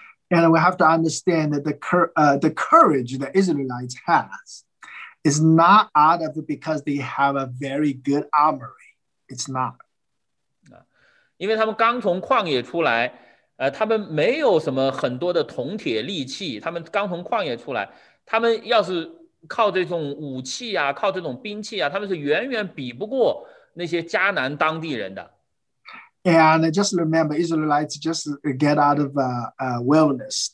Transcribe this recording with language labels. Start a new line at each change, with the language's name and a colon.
English: And we have to understand that the courage that Israelites has is not out of because they have a very good armory. It's not.
Chinese: 因为他们刚从旷野出来，他们没有什么很多的铜铁利器，他们刚从旷野出来，他们要是靠这种武器啊，靠这种兵器啊，他们是远远比不过那些迦南当地人的。
English: And just remember, Israelites just get out of wilderness.